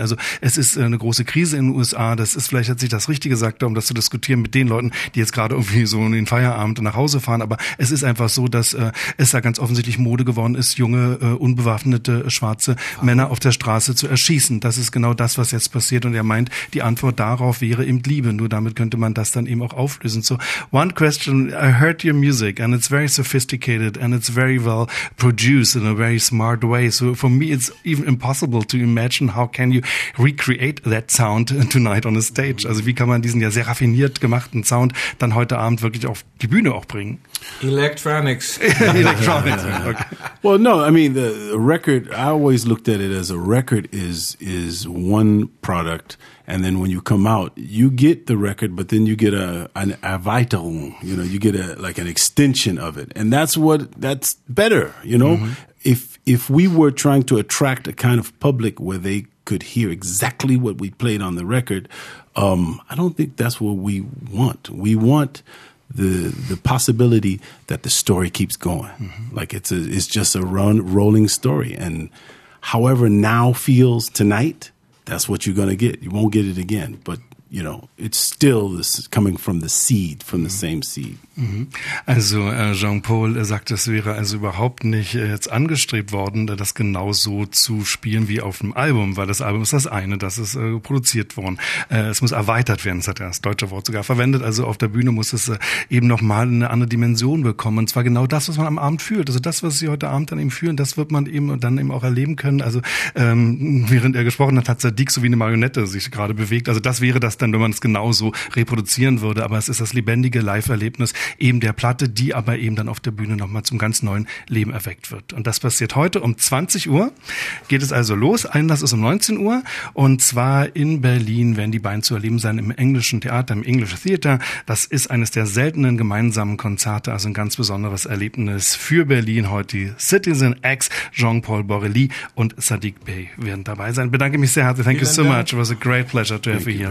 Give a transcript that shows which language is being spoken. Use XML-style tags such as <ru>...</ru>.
<de>Also es ist eine große Krise in den USA. Das ist vielleicht jetzt nicht das Richtige, sagt er, um das zu diskutieren mit den Leuten, die jetzt gerade irgendwie so in den Feierabend nach Hause fahren. Aber es ist einfach so, dass es da ganz offensichtlich Mode geworden ist, junge, unbewaffnete, schwarze Männer auf der Straße zu erschießen. Das ist genau das, was jetzt passiert. Und er meint, die Antwort darauf wäre eben Liebe. Nur damit könnte man das dann eben auch auflösen.</de> <en>So, one question I heard your music, and it's very sophisticated, and it's very well produced in a very smart way. So for me, it's even impossible to imagine how can you recreate that sound tonight on a stage.</en> <de>Also wie kann man diesen ja sehr raffiniert gemachten Sound dann heute Abend wirklich auf die Bühne auch bringen?</de> <en>Electronics. Electronics. Okay. Well, no, I mean, the record, I always looked at it as a record is one product. And then when you come out, you get the record, but then you get an Erweiterung, you know, you get an extension of it. And that's better, you know, mm-hmm. if we were trying to attract a kind of public where they could hear exactly what we played on the record, I don't think that's what we want. We want the possibility that the story keeps going. Mm-hmm. Like it's just a rolling story. And however now feels tonight, that's what you're going to get. You won't get it again, but you know, it's still this coming from the seed, from the same seed.</en> <de>Also Jean-Paul sagt, es wäre also überhaupt nicht jetzt angestrebt worden, das genau so zu spielen wie auf dem Album, weil das Album ist das eine, das ist produziert worden. Es muss erweitert werden, das hat er das deutsche Wort sogar verwendet. Also auf der Bühne muss es eben nochmal eine andere Dimension bekommen. Und zwar genau das, was man am Abend fühlt. Also das, was sie heute Abend dann eben fühlen, das wird man eben dann eben auch erleben können. Also während er gesprochen hat, hat Sadiq so wie eine Marionette sich gerade bewegt. Also das wäre das dann, wenn man es genau so reproduzieren würde. Aber es ist das lebendige Live-Erlebnis eben der Platte, die aber eben dann auf der Bühne nochmal zum ganz neuen Leben erweckt wird. Und das passiert heute um 20 Uhr. Geht es also los. Einlass ist um 19 Uhr. Und zwar in Berlin werden die beiden zu erleben sein im Englischen Theater, im English Theater. Das ist eines der seltenen gemeinsamen Konzerte, also ein ganz besonderes Erlebnis für Berlin. Heute die Citizen X, Jean-Paul Borély und Sadiq Bey werden dabei sein. Bedanke mich sehr herzlich.</de> <en>Thank you so much. It was a great pleasure to have you here.</en>